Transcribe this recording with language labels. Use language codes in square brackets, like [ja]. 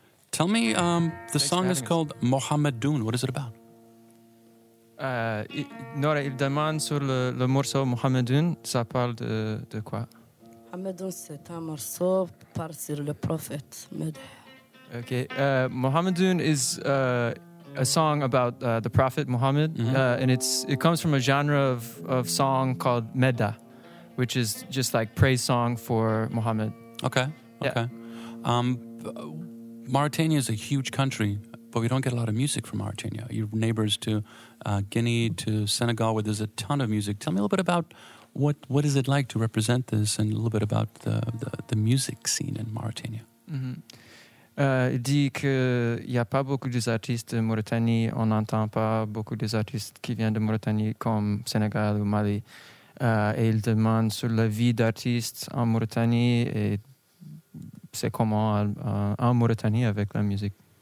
[en] Tell me, the Thanks song is called Mohamedoun. What is it about? [fr] Nora, il demande sur le morceau Mohamedoun, ça parle de quoi? Mohamedoun, c'est un morceau par sur le prophète Médé. Ok. [en] Mohamedoun is a song about the prophet Muhammad, and it comes from a genre of song called Medda, which is just like praise song for Muhammad. Okay, yeah. Okay. Mauritania is a huge country, but we don't get a lot of music from Mauritania. Your neighbors to Guinea, to Senegal, where there's a ton of music. Tell me a little bit about what is it like to represent this and a little bit about the music scene in Mauritania. Mm-hmm. [fr] Il dit que il y a pas beaucoup d'artistes de Mauritanie, on n'entend pas beaucoup d'artistes qui viennent de Mauritanie comme Sénégal ou Mali. Et il demande sur la vie d'artistes en Mauritanie et c'est comment en Mauritanie avec la musique.